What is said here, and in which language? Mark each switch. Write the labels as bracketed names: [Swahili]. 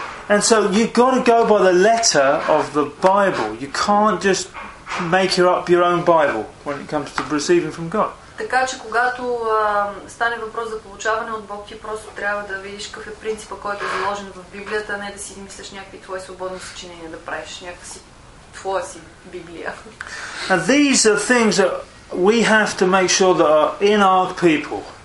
[English] And so you've got to go by the letter of the Bible. You can't just make up your own Bible when it comes to receiving from God. [Bulgarian] Така че когато стане въпрос за получаване от Бог, ти просто трябва да видиш какъв е принципа, който е заложен в Библията, а не да си мислиш някакви твои свободни съчинения, да правиш някаква си твоя си Библия. [English] And these are things that we have to make sure that are in our people.